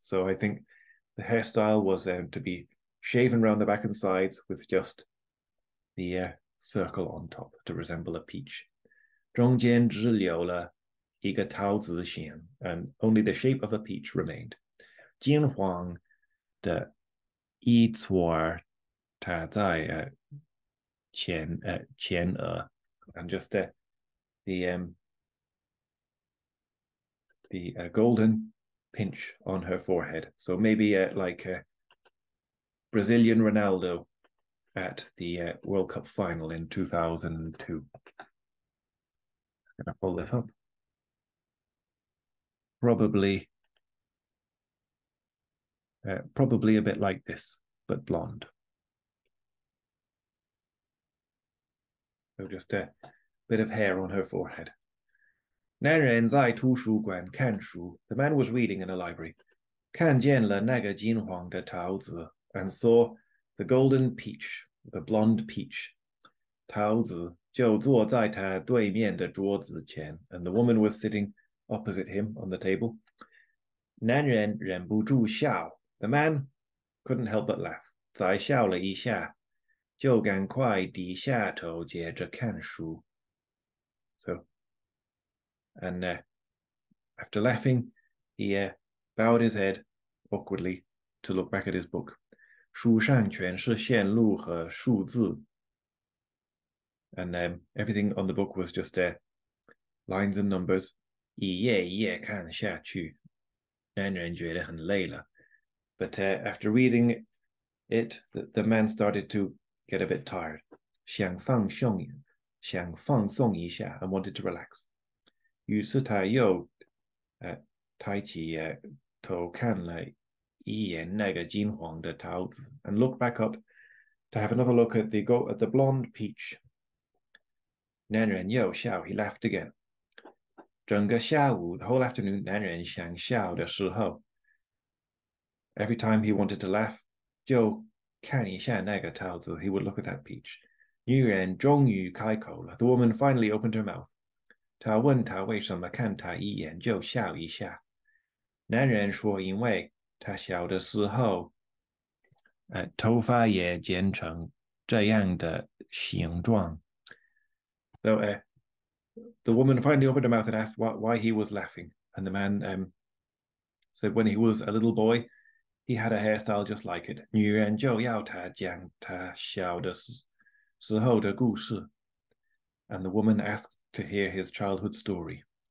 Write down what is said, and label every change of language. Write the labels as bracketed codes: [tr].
[en] So I think the hairstyle was to be shaven round the back and sides with just the circle on top to resemble a peach. [zh] 中间只留了一个桃子形, [en] and only the shape of a peach remained. [zh] 金黄的一撮儿它在 前额, [en] and just the golden pinch on her forehead. So maybe like a Brazilian Ronaldo at the World Cup final in 2002. I'm going to pull this up. Probably a bit like this, but blonde. So just a bit of hair on her forehead. [zh] 男人在图书馆看书. [en] The man was reading in a library. [zh] 看见了那个金黄的桃子. [en] And saw the golden peach, the blonde peach. [zh] 桃子就坐在他对面的桌子前. [en] And the woman was sitting opposite him on the table. [zh] 男人忍不住笑. [en] The man couldn't help but laugh. [zh] 再笑了一下.就赶快低下头接着看书. [en] So, and after laughing, he bowed his head awkwardly to look back at his book. [zh] 书上全是线路和数字. [en] And everything on the book was just lines and numbers. [zh] 一页一页看下去, 男人觉得很累了. [en] But after reading it, the man started to get a bit tired. [zh] 想放松一下, [en] and wanted to relax. [zh] 于是他又抬起头看了一眼那个金黄的桃子, [en] and looked back up to have another look at the blonde peach. [zh] 男人又笑, [en] he laughed again. [zh] 整个下午, [en] the whole afternoon, [zh] 男人想笑的时候, [en] every time he wanted to laugh, [zh] 就 看一下那个桃子, [en] he would look at that peach. [zh] 女人终于开口了, [en] the woman finally opened her mouth. [zh] 她问她为什么看她一眼就笑一下。男人说因为她小的时候, 头发也剪成这样的形状。 [en] So, the woman finally opened her mouth and asked why he was laughing. And the man said when he was a little boy, he had a hairstyle just like it. [zh] 女人就要他讲他小的时候的故事. [en] And the woman asked to hear his childhood story.